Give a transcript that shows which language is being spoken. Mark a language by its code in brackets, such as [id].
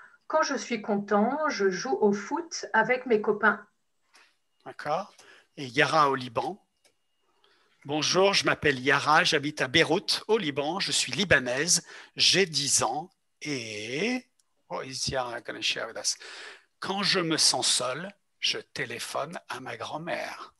[fr] Quand je suis content, je joue au foot avec mes copains. D'accord. Et Yara au Liban. Bonjour, je m'appelle Yara, j'habite à Beyrouth, au Liban. Je suis libanaise, j'ai 10 ans. Et [en] what is Yara going to share with us? [fr] Quand je me sens seul, je téléphone à ma grand-mère.